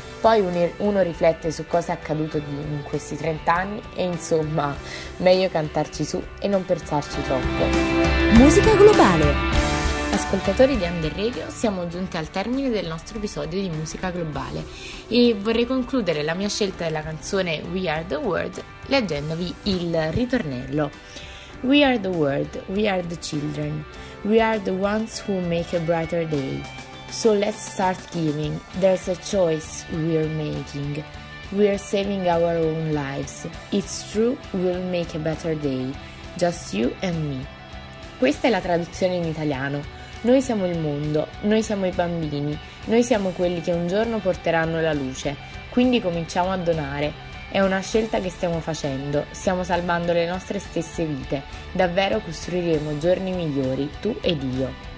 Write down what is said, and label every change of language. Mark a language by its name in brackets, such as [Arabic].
[Italian] Poi uno riflette su cosa è accaduto in questi 30 anni e insomma, meglio cantarci su e non pensarci troppo. Musica globale. Ascoltatori di Under Radio, siamo giunti al termine del nostro episodio di Musica globale e vorrei concludere la mia scelta della canzone We Are The World leggendovi il ritornello. [English] We are the world, we are the children, we are the ones who make a brighter day. So let's start giving, there's a choice we're making. We're saving our own lives, it's true, we'll make a better day, just you and me. [Italian] Questa è la traduzione in italiano. Noi siamo il mondo, noi siamo i bambini, noi siamo quelli che un giorno porteranno la luce, quindi cominciamo a donare. È una scelta che stiamo facendo, stiamo salvando le nostre stesse vite, davvero costruiremo giorni migliori, tu ed io.